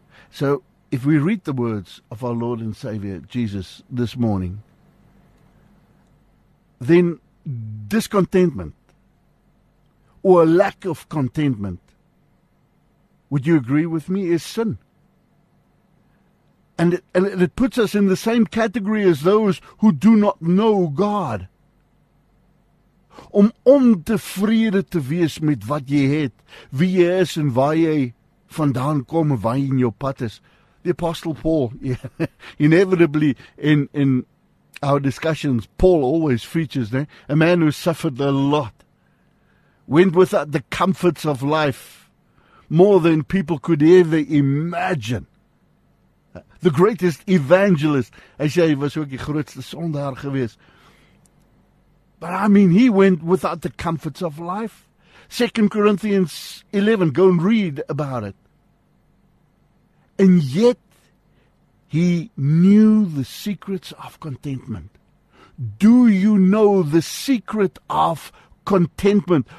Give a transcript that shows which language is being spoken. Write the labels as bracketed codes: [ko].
[en] So, if we read the words of our Lord and Savior Jesus this morning, then discontentment or a lack of contentment, would you agree with me, is sin. And it puts us in the same category as those who do not know God. [af] om ontevrede te wees met wat jy het, wie jy is en waar jy vandaan kom en waar jy in jou pad is. [en] The Apostle Paul, yeah. Inevitably in our discussions, Paul always features, né? A man who suffered a lot, went without the comforts of life, more than people could ever imagine. The greatest evangelist, [af] as jy was ook die grootste sondaar gewees. [en] But I mean, he went without the comforts of life. 2 Corinthians 11, go and read about it. And yet, he knew the secrets of contentment. Do you know the secret of contentment?